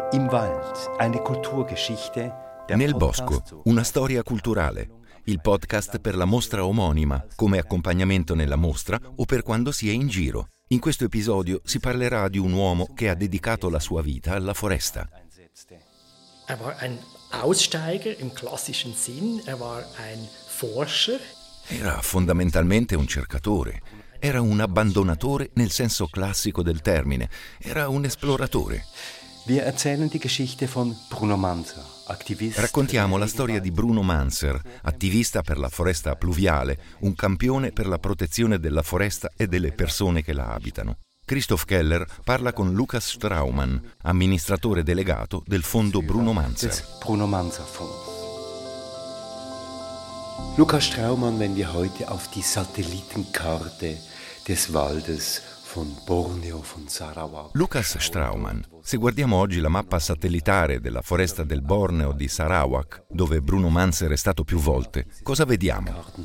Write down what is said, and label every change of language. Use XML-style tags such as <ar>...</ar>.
<de>Wald, eine Kulturgeschichte.</de> <it>Nel Bosco, una storia culturale. Il podcast per la mostra omonima, come accompagnamento nella mostra o per quando si è in giro. In questo episodio si parlerà di un uomo che ha dedicato la sua vita alla foresta.</it> <de>Er war ein Aussteiger im klassischen Sinn, er war ein Forscher.</de> <it>Era fondamentalmente un cercatore. Era un abbandonatore nel senso classico del termine. Era un esploratore.</it> <de>Wir erzählen die Geschichte von Bruno Manzer, Aktivist.</de> <it>Raccontiamo la storia di Bruno Manzer, attivista per la foresta pluviale, un campione per la protezione della foresta e delle persone che la abitano. Christoph Keller parla con Lukas Straumann, amministratore delegato del fondo Bruno Manzer.</it> <de>Bruno Manzer Fonds. Lukas Straumann, wenn wir heute auf die Satellitenkarte des Waldes von Borneo, von Sarawak.</de> <it>Lukas Straumann, se guardiamo oggi la mappa satellitare della foresta del Borneo di Sarawak, dove Bruno Manzer è stato più volte, cosa vediamo?</it>